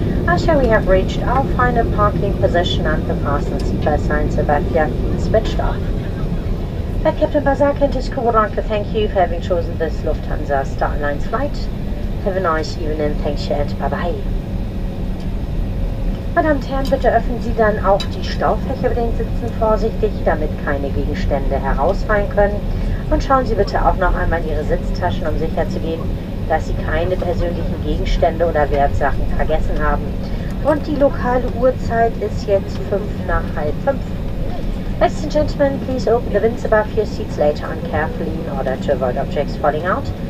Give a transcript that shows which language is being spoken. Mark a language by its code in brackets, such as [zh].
[en] Actually, we have reached our final parking position and the fasten seatbelt signs have been switched off. But Captain Basak and his crew would like to thank you for having chosen this Lufthansa Starlines flight. Have a nice evening, thank you and bye-bye. [de] Meine Damen und Herren, bitte öffnen Sie dann auch die Staufächer über den Sitzen vorsichtig, damit keine Gegenstände herausfallen können. Und schauen Sie bitte auch noch einmal in Ihre Sitztaschen, um sicherzugehen, dass Sie keine persönlichen Gegenstände oder Wertsachen vergessen haben. Und die lokale Uhrzeit ist jetzt 5:55. [en] Ladies and gentlemen, please open the windows above your seats later on carefully in order to avoid objects falling out.